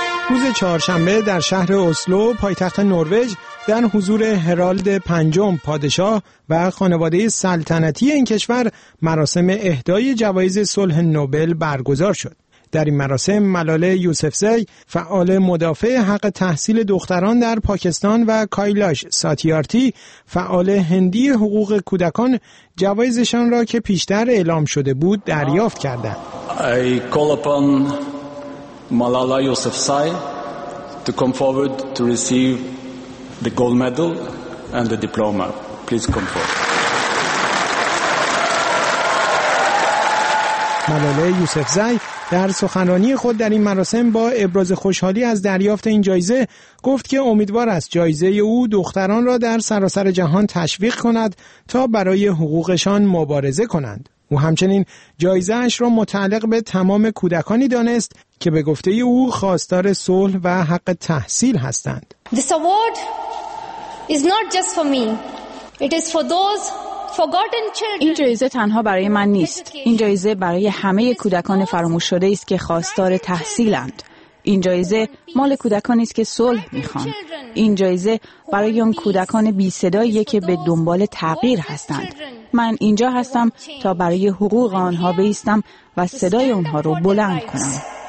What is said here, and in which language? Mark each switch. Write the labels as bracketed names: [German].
[Persian] روز چهارشنبه در شهر اسلو پایتخت نروژ در حضور هرالد پنجم پادشاه و خانواده سلطنتی این کشور مراسم اهدای جوایز صلح نوبل برگزار شد. در این مراسم ملاله یوسفزای، فعال مدافع حق تحصیل دختران در پاکستان، و کایلاش ساتیارتی، فعال هندی حقوق کودکان، جوایزشان را که پیشتر اعلام شده بود دریافت کردند. [English] I call upon Malala Yousafzai to come forward to receive the gold medal and the diploma. Please come forward. [Persian] ملاله یوسفزای در سخنرانی خود در این مراسم با ابراز خوشحالی از دریافت این جایزه گفت که امیدوار است جایزه او دختران را در سراسر جهان تشویق کند تا برای حقوقشان مبارزه کنند. و همچنین جایزه اش را متعلق به تمام کودکانی دانست که به گفته او خواستار صلح و حق تحصیل هستند. [English] This award is not just for me. It is for those forgotten children. [Persian] این جایزه تنها برای من نیست. این جایزه برای همه کودکان فراموش شده است که خواستار تحصیلند. این جایزه مال کودکانی است که صلح می‌خوان. این جایزه برای آن کودکان بی صدایی که به دنبال تغییر هستند. من اینجا هستم تا برای حقوق آنها بایستم و صدای آنها را بلند کنم.